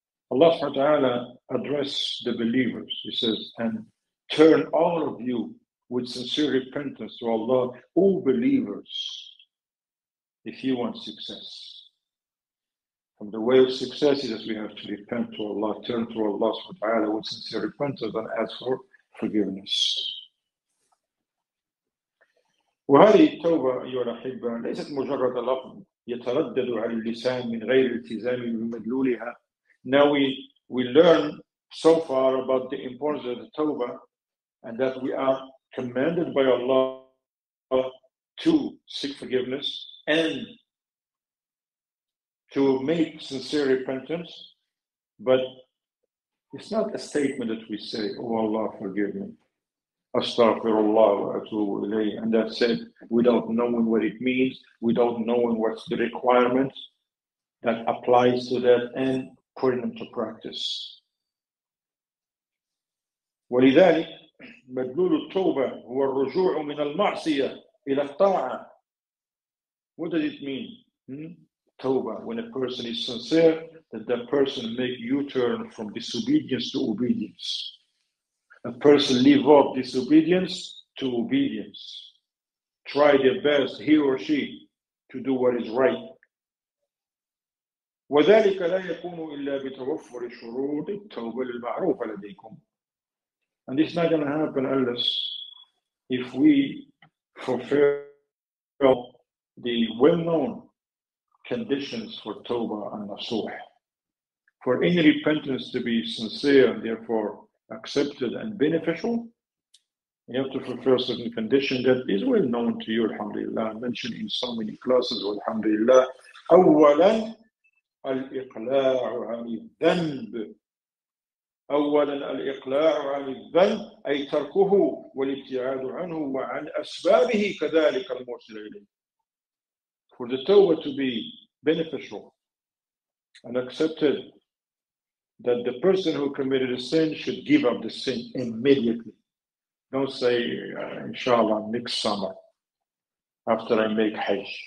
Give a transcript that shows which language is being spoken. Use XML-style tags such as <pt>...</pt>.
<en>Allah</en> <ar>سبحانه وتعالى</ar> <en>address the believers. He says, and turn all of you with sincere repentance to Allah, all believers, if you want success. From the way of success is that we have to repent to Allah, turn to Allah subhanahu wa ta'ala with sincere repentance and ask for forgiveness.</en> <ar>وهذه التوبة أيها الأحبة ليست مجرد لفظ يتردد على اللسان من غير التزام بمدلولها.</ar> <en>Now we learn so far about the importance of the Tawbah and that we are commanded by Allah to seek forgiveness and to make sincere repentance, but it's not a statement that we say, oh Allah, forgive me.</en> <ar>Astaghfirullah wa atubu ilayh.</ar> <en>And that's it, without knowing what it means, without knowing what's the requirement that applies to that and putting them to practice.</en> <ar>ولذلك مدلول التوبة هو الرجوع من المعصية إلى الطاعة.</ar> <en>What does it mean? Tawbah, when a person is sincere, that that person make U-turn from disobedience to obedience. A person live up disobedience to obedience. Try their best, he or she, to do what is right.</en> <ar>وَذَلِكَ لَا يَكُونُ إِلَّا بِتَوَفُّرِ شُرُوطِ التَّوْبَةِ الْمَعْرُوفَ لَدَيْكُمْ.</ar> <en>And it's not going to happen unless if we fulfill the well-known conditions for Tawbah and Nasuh. For any repentance to be sincere and therefore accepted and beneficial, you have to fulfill certain conditions that is well known to you, alhamdulillah, mentioned in so many classes, alhamdulillah.</en> <ar>أولاً الإقلاع عن الذنب. أولاً الإقلاع عن الذنب أي تركه والابتعاد عنه وعن أسبابه كذلك الموصل إليه.</ar> <en>For the Tawbah to be beneficial and accepted, that the person who committed a sin should give up the sin immediately. Don't say, inshallah, next summer, after I make Hajj.</en>